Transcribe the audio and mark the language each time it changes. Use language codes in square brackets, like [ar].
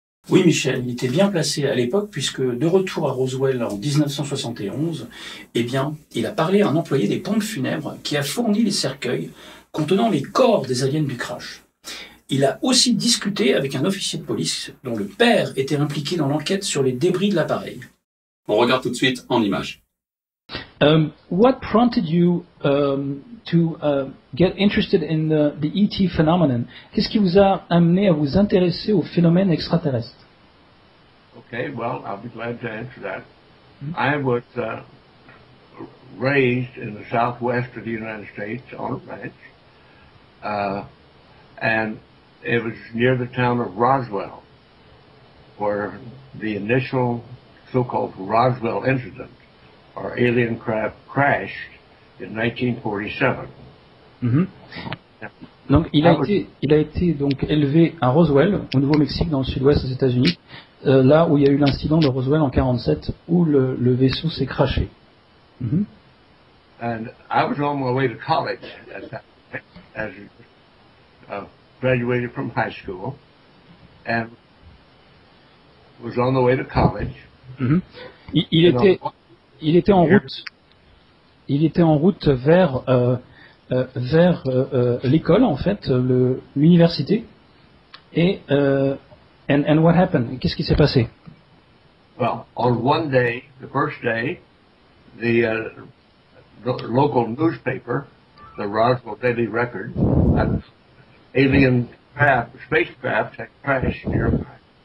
[fr] Oui, Michel, il était bien placé à l'époque, puisque de retour à Roswell en 1971, eh bien, il a parlé à un employé des pompes funèbres qui a fourni les cercueils contenant les corps des aliens du crash. Il a aussi discuté avec un officier de police dont le père était impliqué dans l'enquête sur les débris de l'appareil. On regarde tout de suite en image. [en] What prompted you get interested in the ET phenomenon? [fr] Qu'est-ce qui vous a amené à vous intéresser au phénomène extraterrestre? [en] Okay, well, I'll be glad to answer that. I was raised in the southwest of the United States on a ranch. And it was near the town of Roswell where the initial so-called Roswell incident or alien craft crashed in 1947. [fr] Donc il a été donc élevé à Roswell au Nouveau-Mexique dans le sud-ouest des États-Unis, là où il y a eu l'incident de Roswell en 47 où le vaisseau s'est crashé. [en] And I was on my way to college at that, as graduated from high school and was on the way to college. [fr] Il était en route vers l'école en fait, l'université. [en] And what happened? [fr] Qu'est-ce qui s'est passé? [en] Well, on one day, the first day, the local newspaper, the Roswell Daily Record, alien spacecraft had crashed nearby.